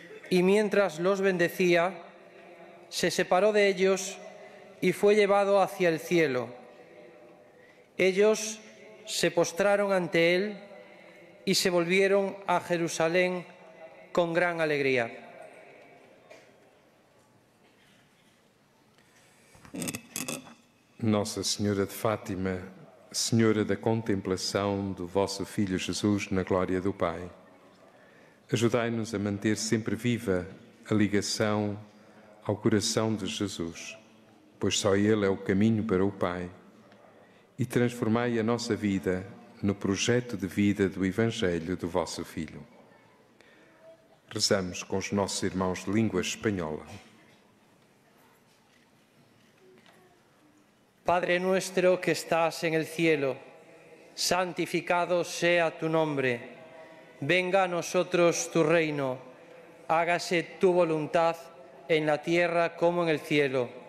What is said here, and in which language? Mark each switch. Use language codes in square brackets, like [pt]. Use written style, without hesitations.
[es] Y mientras los bendecía, se separó de ellos y fue llevado hacia el cielo. Ellos se postraron ante él y se volvieron a Jerusalén con gran alegría. [pt] Nossa Senhora de Fátima, Senhora da contemplação do vosso Filho Jesus na glória do Pai, ajudai-nos a manter sempre viva a ligação ao coração de Jesus, pois só Ele é o caminho para o Pai, e transformai a nossa vida no projeto de vida do Evangelho do vosso Filho. Rezamos com os nossos irmãos de língua espanhola. [es] Padre nuestro que estás en el cielo, santificado sea tu nombre. Venga a nosotros tu reino. Hágase tu voluntad en la tierra como en el cielo.